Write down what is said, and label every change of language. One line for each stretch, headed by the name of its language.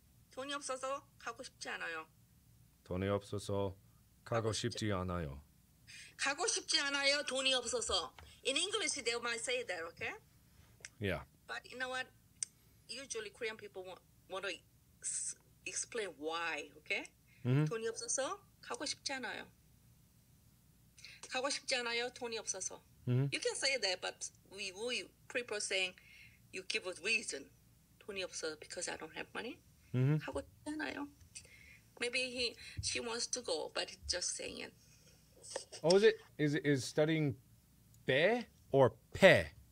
Korean: 돈이 없어서 가고 싶지 않아요. 돈이 없어서 가고 싶지 않아요. 가고 싶지 않아요, 돈이 없어서.
English: In English, they might say that, okay? Yeah. But you know what? Usually, Korean people want to explain why, okay? Mm-hmm.
Korean: 돈이 없어서 가고 싶지 않아요. 가고 싶지 않아요, 돈이 없어서.
English: Mm-hmm. You can say that, but we prefer saying you give a reason.
Korean: 돈이 없어
English: because I don't have money. Mm-hmm.
Korean: 가고 싶지 않아요.
English: Maybe she wants to go, but just saying. Oh, is it? Is studying pe or pe?